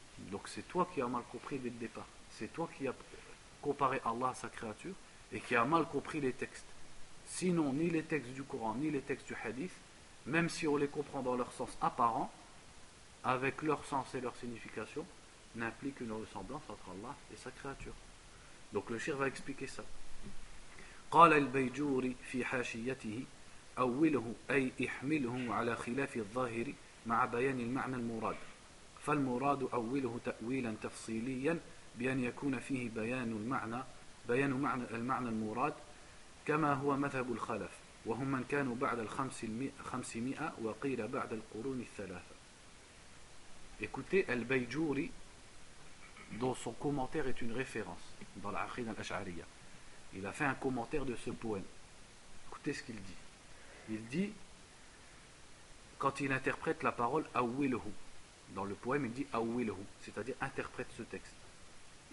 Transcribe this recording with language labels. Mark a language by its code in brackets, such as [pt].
[fr] Donc c'est toi qui as mal compris dès le départ. C'est toi qui as comparé Allah à sa créature et qui as mal compris les textes. Sinon, ni les textes du Coran, ni les textes du Hadith, même si on les comprend dans leur sens apparent, avec leur sens et leur signification, n'implique une ressemblance entre Allah et sa créature. Donc le shir va expliquer ça. [ar] قال البيجوري في حاشيته أوله أي احمله على خلاف الظاهر مع بيان المعنى المراد فالمراد أوله تأويلا تفصيليا بأن يكون فيه بيان معنى المعنى المراد كما هو مذهب الخلف وهم من كانوا بعد الخمسمائة وقيل بعد القرون الثلاثة. [fr] Écoutez, البيجوري dont son commentaire est une référence dans العقيدة الأشعرية. Il a fait un commentaire de ce poème. Écoutez ce qu'il dit. Il dit, quand il interprète la parole « awwilhu », dans le poème, il dit « awwilhu », c'est-à-dire « interprète ce texte ».